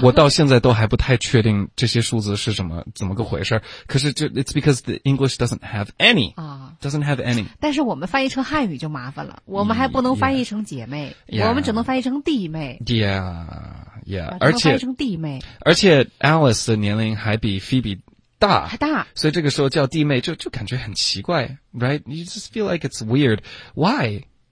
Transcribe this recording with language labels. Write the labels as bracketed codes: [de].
[zh] 我到现在都还不太确定这些数字是怎么个回事。可是就 [en] it's because the English doesn't have any、啊、 doesn't have any。 [zh] 但是我们翻译成汉语就麻烦了，我们还不能翻译成姐妹， [en] yeah, [zh] 我们只能翻译成弟妹。 [en] Yeah yeah， [zh] 而且翻译成弟妹，而且 Alice 的年龄还比 Phoebe。大还大，所以这个时候叫弟妹就感觉很奇怪 ， [en] right？ You just feel like it's weird. Why?